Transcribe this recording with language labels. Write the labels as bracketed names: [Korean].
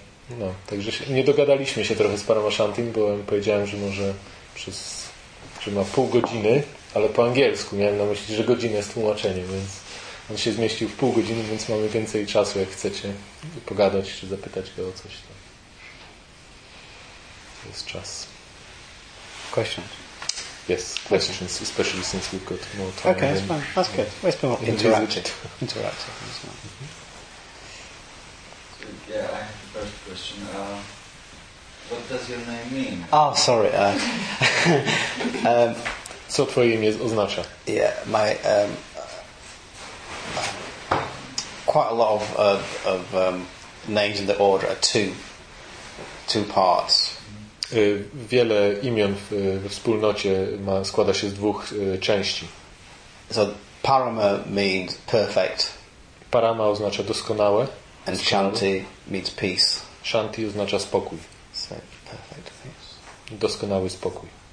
[Polish] No, także się, nie dogadaliśmy się trochę z Paramashantim, bo powiedziałem, że może że ma pół godziny, ale po angielsku miałem na myśli, że godzina jest tłumaczeniem, więc on się zmieścił w pół godziny, więc mamy więcej czasu, jak chcecie pogadać czy zapytać go o coś. To jest czas. [English] Questions? Yes, questions, especially since we've got more time. Okay, that's good. It's been more interactive. Yeah, I have the first question. What does your name mean? Oh, sorry. [Polish] Co twoje imię oznacza? [English] Yeah, my quite a lot of names in the order are two parts. [Polish] Wiele imion w wspólnocie składa się z dwóch części. [English] So Parama means perfect. [Polish] Parama oznacza doskonałe. [English] And Shanti means peace. [Polish] Shanti oznacza spokój. [English] So perfect peace. [Polish] Doskonały spokój.